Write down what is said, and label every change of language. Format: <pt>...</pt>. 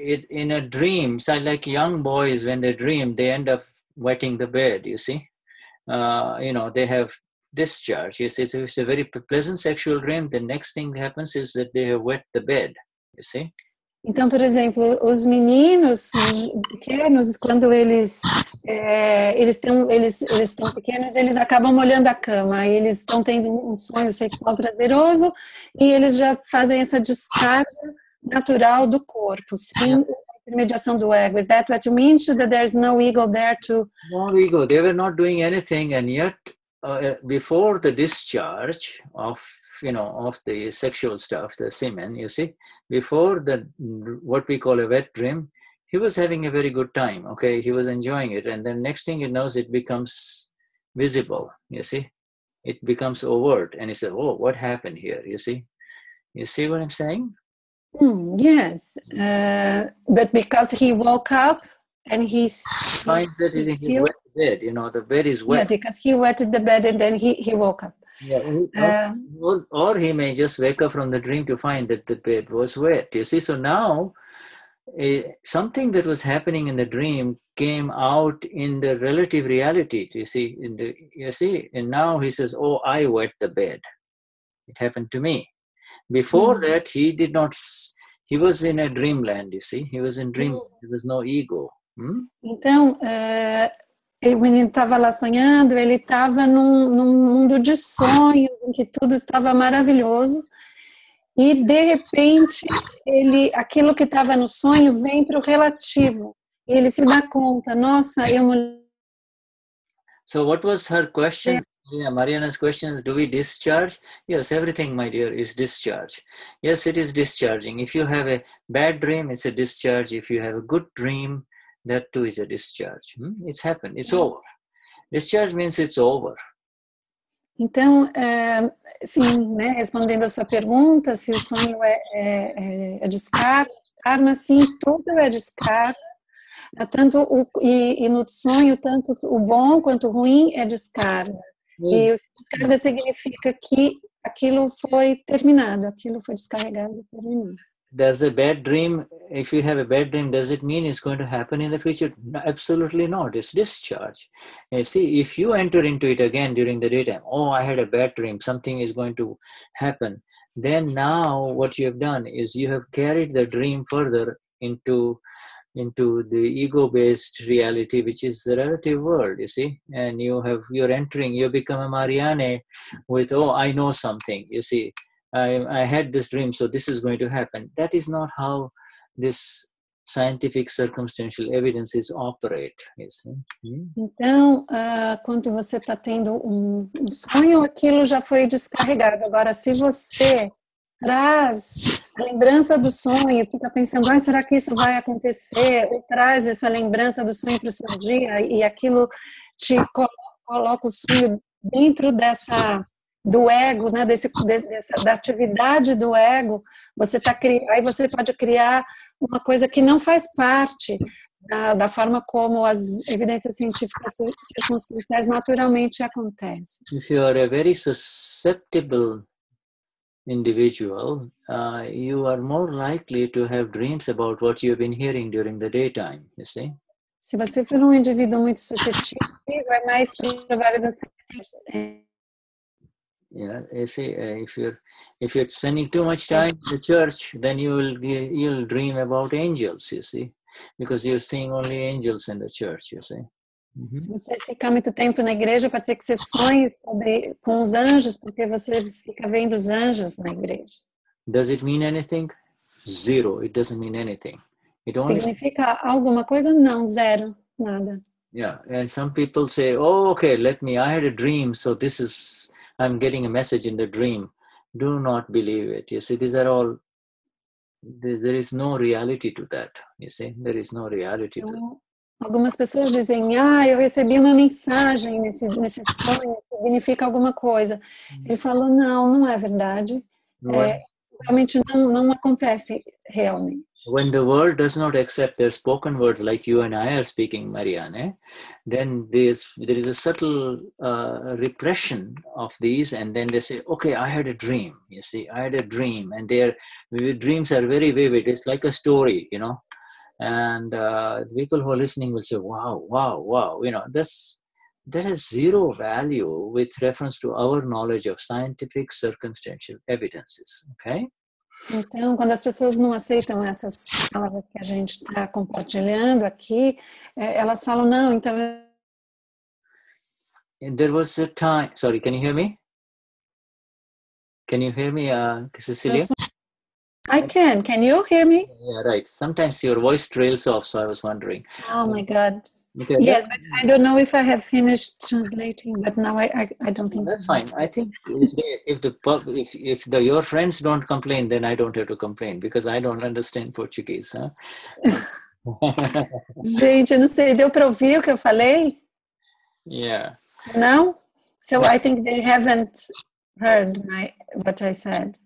<en>In a dream, so like young boys when they dream, they end up wetting the bed. You see, you know, they have discharge. You see, so it's a very pleasant sexual dream. The next thing that happens is that they have wet the bed. You see?</en> <pt>Então, por exemplo, os meninos pequenos, quando eles estão pequenos, eles acabam molhando a cama. Eles estão tendo um sonho sexual prazeroso e eles já fazem essa descarga natural do corpo, sem intermediação do ego.</pt> <en>Is that what you mean? So that there's no ego there to... No ego. They were not doing anything and yet, before the discharge of, you know, of the sexual stuff, the semen, you see, before the what we call a wet dream, he was having a very good time, okay? He was enjoying it, and then next thing he knows, it becomes visible, you see, it becomes overt, and he said, oh, what happened here, you see what I'm saying? Yes, but because he woke up and he finds that in his wet bed, you know, the bed is wet, yeah, because he wetted the bed and then he woke up. Yeah, or he may just wake up from the dream to find that the bed was wet, you see. So now, something that was happening in the dream came out in the relative reality, you see. And now he says, oh, I wet the bed. It happened to me. Before that, he did not, he was in a dreamland, you see. He was in dream, there was no ego.</en> <pt>Então, o menino estava lá sonhando, ele estava num mundo de sonho, em que tudo estava maravilhoso. E, de repente, aquilo que estava no sonho vem para o relativo. E ele se dá conta, nossa, eu...</pt> <en>So, what was her question? Yeah, Mariana's question is, do we discharge? Yes, everything, my dear, is discharge. Yes, it is discharging. If you have a bad dream, it's a discharge. If you have a good dream, that too is a discharge. It's happened. It's over. Discharge means it's over.</en> <pt>Então, sim, né, respondendo a sua pergunta, se o sonho é descarga, sim, tudo é descarga. Tanto e no sonho, tanto o bom quanto o ruim é descarga. E o descarga significa que aquilo foi terminado, aquilo foi descarregado e terminado.</pt> <en>Does a bad dream, if you have a bad dream, does it mean it's going to happen in the future? No, absolutely not. It's discharge. You see, if you enter into it again during the daytime, oh, I had a bad dream, something is going to happen. Then now what you have done is you have carried the dream further into the ego-based reality, which is the relative world, you see. And you're entering, you become a Marianne with, oh, I know something, you see. I had this dream, so this is going to happen. That is not how this scientific circumstantial evidences operate. You see?</en> <pt>Então, quando você está tendo um sonho, aquilo já foi descarregado. Agora, se você traz a lembrança do sonho, fica pensando, ah, será que isso vai acontecer? Ou traz essa lembrança do sonho para o seu dia e aquilo te coloca o sonho dentro dessa... do ego, né, da atividade do ego, você tá aí você pode criar uma coisa que não faz parte da forma como as evidências científicas circunstanciais naturalmente acontecem.</pt> <en>If you are a very susceptible individual, you are more likely to have dreams about what you have been hearing during the daytime, you see?</en> <pt>Se você for um indivíduo muito suscetível, é mais provável você</pt> <en>Yeah, you see, if you're spending too much time in the church, then you'll dream about angels, you see, because you're seeing only angels in the church, you see.</en> <pt>Se você ficar muito tempo na igreja, pode ser que você sonhe com os anjos, porque você fica vendo os anjos na igreja.</pt> <en>Does it mean anything? Zero. It doesn't mean anything. It only</en> <pt>significa alguma coisa? Não, zero, nada.</pt> <en>Yeah, and some people say, oh, okay, let me. I had a dream, so this is. I'm getting a message in the dream. Do not believe it. You see, these are all. There is no reality to that. You see, there is no reality to that.</en> <pt>Algumas pessoas dizem, ah, eu recebi uma mensagem nesse sonho, significa alguma coisa. Ele falou, não, não é verdade. Realmente não acontece realmente.</pt> <en>When the world does not accept their spoken words like you and I are speaking, Marianne, then there is a subtle repression of these, and then they say, okay, I had a dream, you see, I had a dream, and their dreams are very vivid, it's like a story, you know, and the people who are listening will say, wow, wow, wow, you know, that has zero value with reference to our knowledge of scientific circumstantial evidences, okay?</en> <pt>Então, quando as pessoas não aceitam essas palavras que a gente está compartilhando aqui, elas falam, não, então...</pt> <en>And there was a time... Sorry, can you hear me? Can you hear me, Cecilia? I can. Can you hear me? Yeah, right. Sometimes your voice trails off, so I was wondering. Oh, my God. Okay, yes, but I don't know if I have finished translating, but now I don't think that's fine. I think if your friends don't complain, then I don't have to complain because I don't understand Portuguese, huh?</en> <pt>Gente, eu não sei, deu para ouvir o que eu falei?</pt> <en>Yeah. No? So I think they haven't heard what I said.</en>